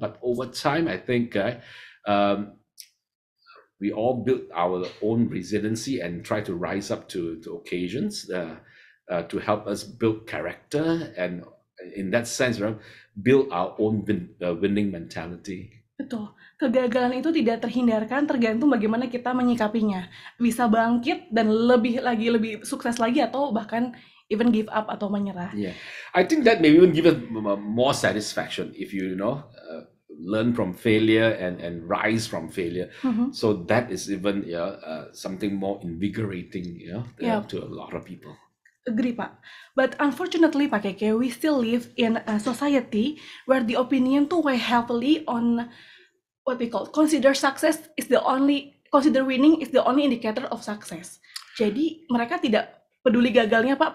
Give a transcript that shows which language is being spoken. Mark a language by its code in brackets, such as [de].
[en] But over time, I think, we all build our own resiliency and try to rise up to occasions to help us build character, and in that sense, right, build our own winning mentality. [id] Betul. Kegagalan itu tidak terhindarkan, tergantung bagaimana kita menyikapinya. Bisa bangkit dan lebih lagi, lebih sukses lagi, atau bahkan [en] even give up [id] atau menyerah. [en] Yeah, I think that maybe even give us more satisfaction if you know. Learn from failure and rise from failure. Mm-hmm. So that is even something more invigorating to a lot of people. Agree, Pak. But unfortunately, Pak Keke, we still live in a society where the opinion to weigh heavily on what we call consider winning is the only indicator of success. [id] Jadi mereka tidak peduli gagalnya, Pak.